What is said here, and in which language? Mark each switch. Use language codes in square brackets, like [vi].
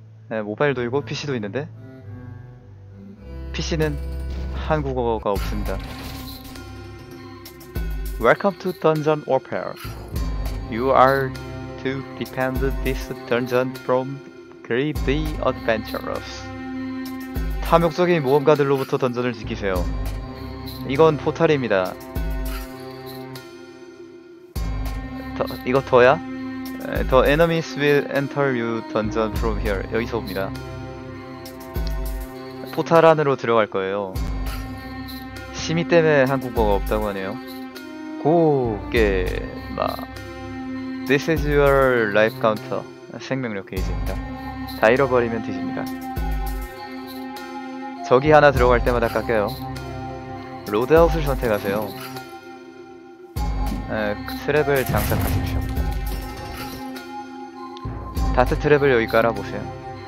[ko] 네, 모바일도 있고 PC도 있는데 PC는 한국어가 없습니다. [en] Welcome to Dungeon Warfare. You are to defend this dungeon from greedy adventurers. [ko] 탐욕적인 모험가들로부터 던전을 지키세요. 이건 포탈입니다. 이거 더야? [en] The enemies will enter you dungeon from here. [ko] 여기서 옵니다. 포탈 안으로 들어갈 거예요. 심의 때문에 한국어가 없다고 하네요. 고개 마. [en] This is your life counter. [ko] 생명력 게이지입니다. 다 잃어버리면 뒤집니다. 적이 하나 들어갈 때마다 깎여요. 로드아웃을 선택하세요. 트랩을 장착하십시오. 다트 트랩을 여기 깔아보세요.